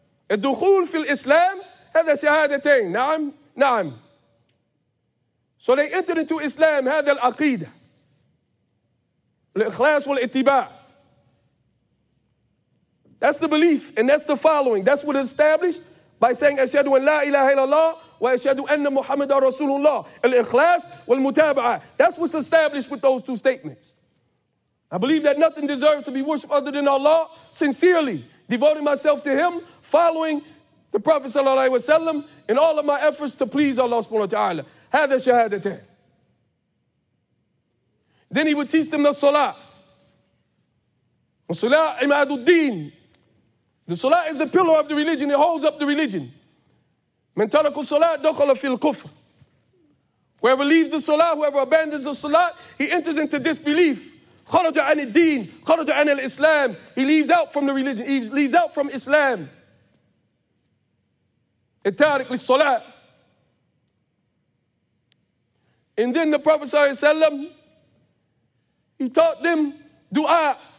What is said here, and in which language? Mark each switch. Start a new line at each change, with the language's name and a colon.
Arabic: الدخول في الإسلام هذا شهادتين. نعم نعم.
English: So they enter into Islam
Arabic: هذا العقيدة. الإخلاص والاتباع.
English: That's the belief and that's the following. That's what is established by saying
Arabic: أشهد أن لا إله إلا الله وأشهد أن محمد رسول الله. الإخلاص والمتابعة.
English: That's what's established with those two statements. I believe that nothing deserves to be worshipped other than Allah, sincerely devoting myself to Him, following the Prophet sallallahu alaihi wasallam, in all of my efforts to please Allah subhanahu wa ta'ala.
Arabic: Hadha shahadatain.
English: Then he would teach them the salah.
Arabic: Salah imaduddin.
English: The salah is the pillar of the religion. It holds up the religion.
Arabic: Man taraka salah dakhala fil kufr.
English: Whoever leaves the salah, whoever abandons the salah, he enters into disbelief.
Arabic: خرج عن الدين خرج عن الإسلام.
English: He leaves out from the religion. He leaves out from Islam.
Arabic: التارك للصلاة.
English: And then the Prophet صلى الله عليه وسلم, he taught them dua.